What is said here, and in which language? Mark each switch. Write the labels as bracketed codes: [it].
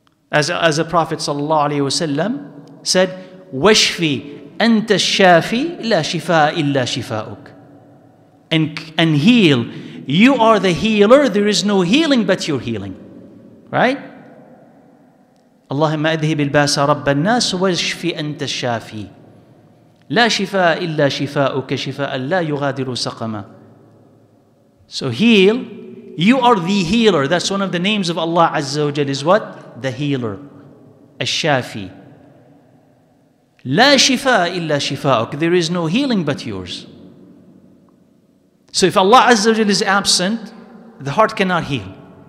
[en] As the Prophet [ar] Sallallahu Alaihi Wasallam said, وَشْفِي أَنْتَ الشَّافِي لَا شِفَاءَ إِلَّا شِفَاءُكَ. [en] and heal. You are the healer. There is no healing but your healing. Right? [ar] اللهم اذهب الباس رب الناس واشفي انت الشافي لا شفاء الا شفاءك شفاء لا يغادر سقما. [en] So heal, you are the healer. That's one of the names of Allah Azza wa Jalla, is what? The healer, الشافي. [ar] لا شفاء الا شفاءك. [en] There is no healing but yours. So if Allah Azza wa Jalla is absent, the heart cannot heal.